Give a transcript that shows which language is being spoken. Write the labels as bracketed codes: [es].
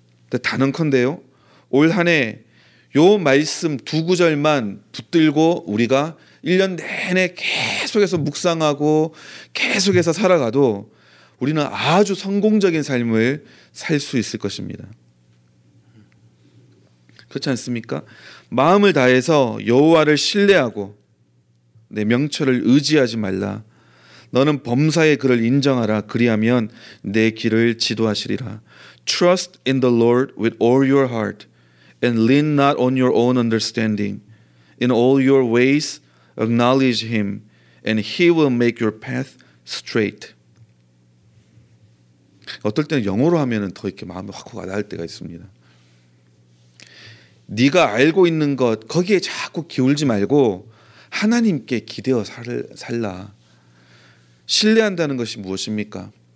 [ko] 근데 단언컨대요. 올 한 해 요 말씀 두 구절만 붙들고 우리가 1년 내내 계속해서 묵상하고 계속해서 살아가도 우리는 아주 성공적인 삶을 살 수 있을 것입니다. 그렇지 않습니까? 마음을 다해서 여호와를 신뢰하고 내 명철을 의지하지 말라. 너는 범사에 그를 인정하라. 그리하면 내 길을 지도하시리라. [en] Trust in the Lord with all your heart and lean not on your own understanding. In all your ways acknowledge him and he will make your path straight. [ko] 어떨 때는 영어로 하면은 더 이렇게 마음이 확 와닿을 때가 있습니다. 네가 알고 있는 것 거기에 자꾸 기울지 말고 하나님께 기대어 살라. 신뢰한다는 것이 무엇입니까?